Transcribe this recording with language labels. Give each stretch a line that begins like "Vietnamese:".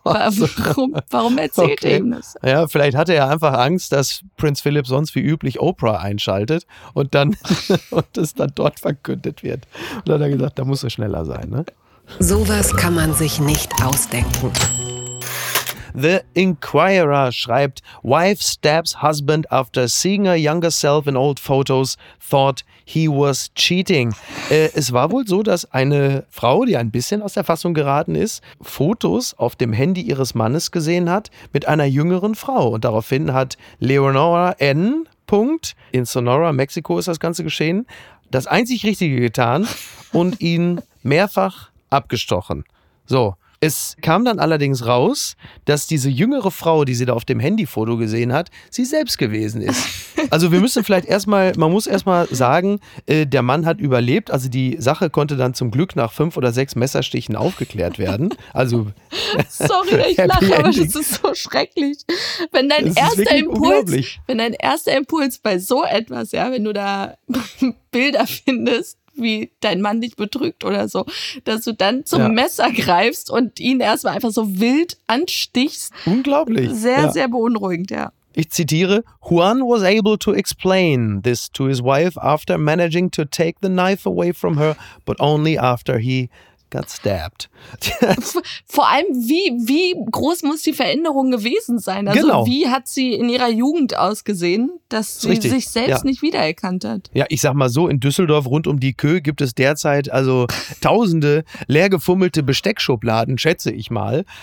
German: warum erzählt er ihm das? Ja, vielleicht hatte er einfach Angst, dass Prinz Philipp sonst wie üblich Oprah einschaltet und das dann dort verkündet wird. Und dann hat er gesagt, da muss er schneller sein, ne? Sowas kann man sich nicht ausdenken.
English: The Inquirer
German: schreibt,
English: Wife stabs husband after seeing her younger self in old photos, thought he was cheating.
German: Es war wohl so, dass eine Frau, die ein bisschen aus der Fassung geraten ist, Fotos auf dem Handy ihres Mannes gesehen hat mit einer jüngeren Frau. Und daraufhin hat Leonora N. in Sonora, Mexiko ist das Ganze geschehen, das einzig Richtige getan und ihn mehrfach abgestochen. So. Es kam dann allerdings raus, dass diese jüngere Frau, die sie da auf dem Handyfoto gesehen hat, sie selbst gewesen ist. Also wir müssen vielleicht erstmal, man muss erstmal sagen, der Mann hat überlebt. Also die Sache konnte dann zum Glück nach 5 oder 6 Messerstichen aufgeklärt werden. Also sorry, ich lache, aber das ist so schrecklich. Wenn dein erster Impuls, bei so etwas, ja, wenn du da Bilder findest, wie dein Mann dich betrügt oder so, dass du dann zum Messer greifst und ihn erstmal einfach so wild anstichst. Unglaublich. Sehr, sehr beunruhigend, ja. Ich zitiere,
English: Juan was able to explain this to his wife after managing to take the knife away from her, but only after he got stabbed.
German: Vor allem, wie groß muss die Veränderung gewesen sein? Also genau. Wie hat sie in ihrer Jugend ausgesehen, dass sie sich selbst nicht wiedererkannt hat? Ja, ich sag mal so, in Düsseldorf rund um die Kö gibt es derzeit also tausende leergefummelte Besteckschubladen, schätze ich mal.